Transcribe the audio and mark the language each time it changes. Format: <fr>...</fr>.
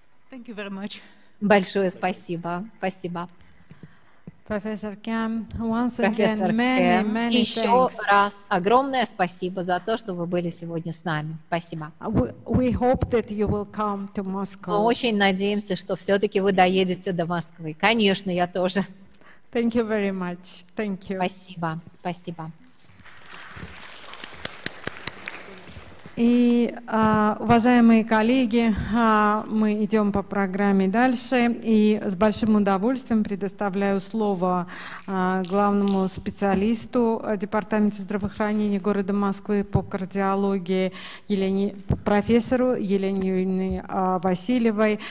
<en>Thank you very much.</en> <ru>Большое спасибо. Спасибо.</ru> <en>Professor Kim, once again, many</en> <ru>еще</ru> <en>thanks.</en> <ru>Раз огромное спасибо за то, что вы были сегодня с нами. Спасибо.</ru> <en>We hope that you will come to Moscow.</en> <ru>Мы очень надеемся, что все-таки вы доедете до Москвы. Конечно, я тоже.</ru> <en>Thank you very much. Thank you.</en> <ru>Спасибо. Спасибо. И, уважаемые коллеги, мы идем по программе дальше, и с большим удовольствием предоставляю слово главному специалисту Департамента здравоохранения города Москвы по кардиологии профессору Елене Юрьевне Васильевой.</ru>